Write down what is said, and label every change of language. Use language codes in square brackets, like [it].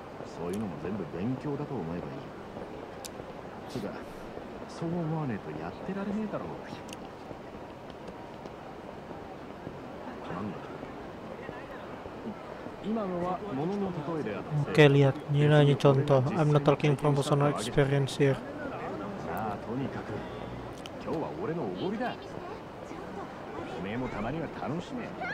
[ja] そういうのも全部勉強だと思えばいい。つうかそう思わねえとやってられねえだろう。なんだ今のは物の例えであって。 OK、リアニラニチョント。 [en] I'm not talking from personal experience here。 [ja] とにかく今日は俺のおごりだ。おめえもたまには楽しめ。